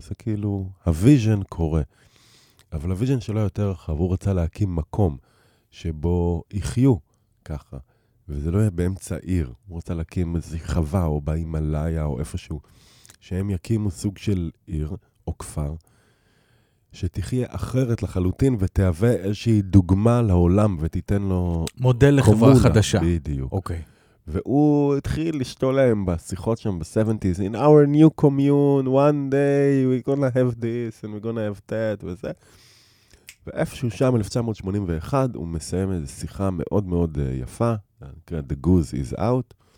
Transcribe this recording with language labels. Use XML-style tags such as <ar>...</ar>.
<he>זה כאילו, הוויז'ן קורה. אבל הוויז'ן שלו יותר רחב. הוא רצה להקים מקום שבו יחיו ככה. וזה לא יהיה באמצע עיר. הוא רצה להקים איזו חווה או בהימלאיה או איפשהו. שהם יקימו סוג של עיר או כפר שתחיה אחרת לחלוטין ותהווה איזושהי דוגמה לעולם ותיתן לו מודל לחברה חדשה. בדיוק. אוקיי. והוא התחיל לשתול להם בשיחות שם ב-70s,</he> <en>in our new commune, one day we're gonna have this and we're gonna have that</en> <he>וזה. ואיפשהו שם, 1981, הוא מסיים איזו שיחה מאוד מאוד יפה, נקרא The Goose is Out.</he>